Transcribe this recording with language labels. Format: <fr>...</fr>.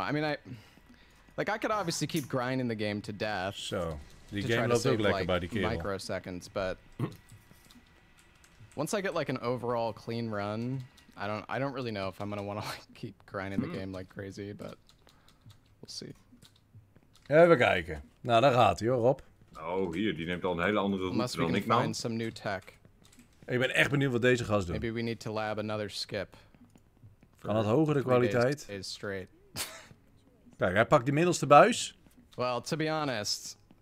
<en>I mean, I could obviously keep grinding the game to death.</en> <nl>So, die game loopt ook lekker bij die kerel.</nl> <en>Microseconds, but... Once I get like an overall clean run, I don't really know if I'm gonna wanna like keep grinding the game like crazy, but we'll see.</en> <nl>Even kijken. Nou, daar gaat hij hoor, Rob. Oh, hier, die neemt al een hele andere route dan ik</nl> <en>nou. Find some new tech.</en> <nl>Ik ben echt benieuwd wat deze gast doet.</nl> <en>Maybe we need to lab another skip.</en> <nl>Kan dat hogere kwaliteit?</nl> <en>Is straight.</en> <nl>Kijk, hij pakt die middelste buis.</nl> <en>Well, to be honest.</en>